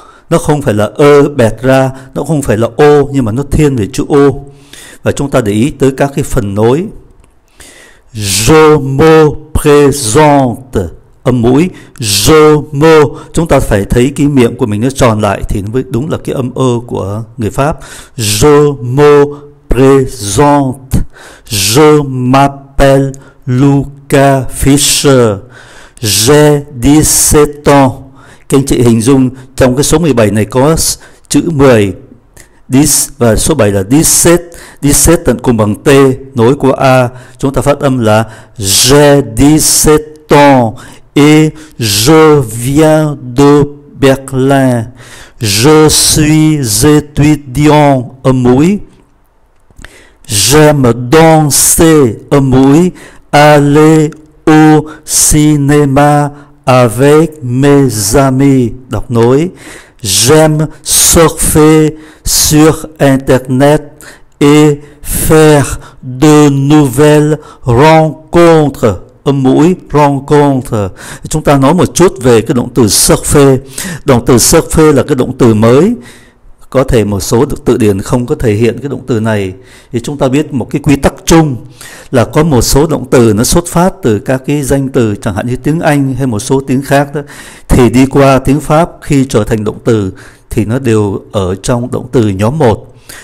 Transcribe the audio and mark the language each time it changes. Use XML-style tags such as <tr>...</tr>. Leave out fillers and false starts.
<vi>Nó không phải là ơ bẹt ra, nó không phải là ô, nhưng mà nó thiên về chữ ô. Và chúng ta để ý tới các cái phần nối.</vi> <fr>Je me présente.</fr> <vi>Âm mũi je me. Chúng ta phải thấy cái miệng của mình nó tròn lại thì nó mới đúng là cái âm ơ của người Pháp.</vi> <fr>Je me présente. Je m'appelle Luca Fischer. J'ai 17 ans.</fr> <vi>Các anh chị hình dung trong cái số 17 này có chữ 10 this và số 7 là disset. Disset tận cùng bằng T nối của A. Chúng ta phát âm là</vi> <fr>j'ai 17 ans et je viens de Berlin. Je suis étudiant.</fr> <vi>Âm mũi.</vi> <fr>J'aime danser.</fr> <vi>Âm mũi.</vi> <fr>Aller au cinéma avec mes amis.</fr> <vi>Đọc nối.</vi> <fr>J'aime surfer sur internet et faire de nouvelles rencontres.</fr> <vi>Âm mũi rencontre. Chúng ta nói một chút về cái động từ surfer. Động từ surfer là cái động từ mới. Có thể một số từ điển không có thể hiện cái động từ này. Thì chúng ta biết một cái quy tắc chung là có một số động từ nó xuất phát từ các cái danh từ, chẳng hạn như tiếng Anh hay một số tiếng khác đó, thì đi qua tiếng Pháp khi trở thành động từ thì nó đều ở trong động từ nhóm 1.</vi>